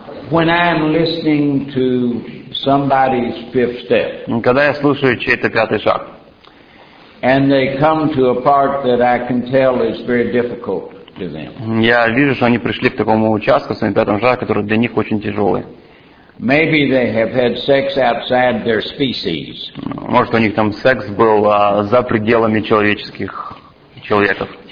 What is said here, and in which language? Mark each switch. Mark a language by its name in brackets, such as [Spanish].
[English] When I'm listening to somebody's fifth step. [Russian] Когда я слушаю чей-то пятый шаг. [English] And they come to a part that I can tell is very difficult to them. [Russian] Я вижу, что они пришли к такому участку, своим пятым шагом, который для них очень тяжелый. [English] Maybe they have had sex outside their species. [Russian] Может, у них там секс был за пределами человеческих человеков.